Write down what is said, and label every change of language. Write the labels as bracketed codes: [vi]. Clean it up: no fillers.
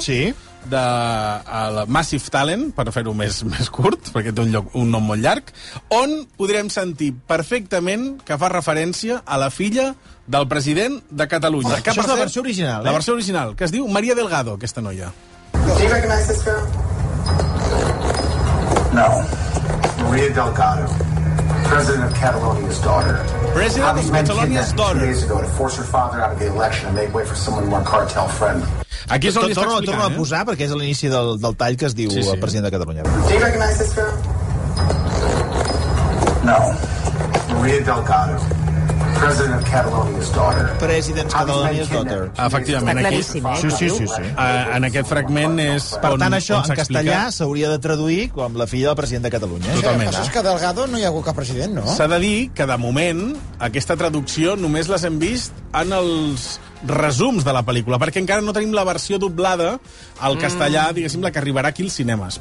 [ca] Sí. De el Massive Talent, per fer-ho més curt, perquè té un nom molt llarg, on podrem sentir perfectament que fa referència a la filla del president de Catalunya. Oh, això és la versió original, La versió original, que es diu Maria Delgado, aquesta noia. [en] Do you recognize this girl? No. Maria Delgado. President of Catalonia's daughter. President of Catalonia's daughter. Two days ago to force her father out of the election and make way for someone more cartel friend. [ca] Aquí és on torno a posar, perquè és a l'inici del tall que es diu el president de Catalunya. [en] Do you recognize this girl? No. Maria Delgado. President of Catalonia's daughter. President of Catalonia's daughter. [ca] Efectivament. Sí. En aquest fragment és per tant, això en castellà s'hauria de traduir com la filla del president de Catalunya. Totalment. El que passa és que Delgado no hi ha hagut cap president, no? S'ha de dir que, de moment, aquesta traducció només les hem vist en els resums de la pel·lícula, perquè encara no tenim la versió doblada al castellà, diguéssim, la que arribarà aquí als cinemes.